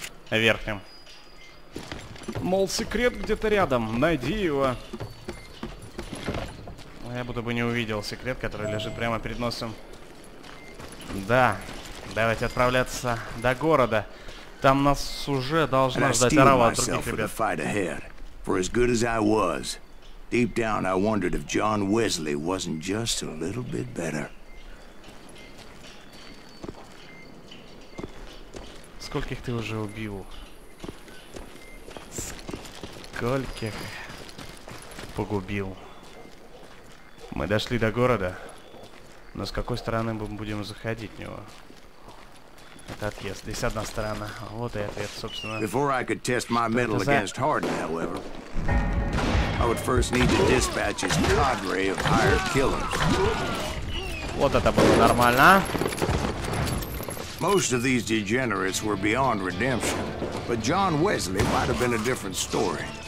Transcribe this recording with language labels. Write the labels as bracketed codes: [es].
[ru] Верхнем. Мол, секрет где-то рядом. Найди его. Я будто бы не увидел секрет, который лежит прямо перед носом. Да. Давайте отправляться до города. Там нас уже должна ждать арава от других ребят. [en] For as good as I was, deep down I wondered if John Wesley wasn't just a little bit better. [ru] Скольких ты уже убил? Скольких погубил? Мы дошли до города, но с какой стороны мы будем заходить в него? Это отъезд. Здесь одна сторона. Вот и ответ, собственно. [en] Before I could test my mettle against Harden, however, I would first need to dispatch his cadre of hired killers. [ru] Вот это было нормально. [en] Most of these degenerates were beyond redemption, but John Wesley might have been a different story.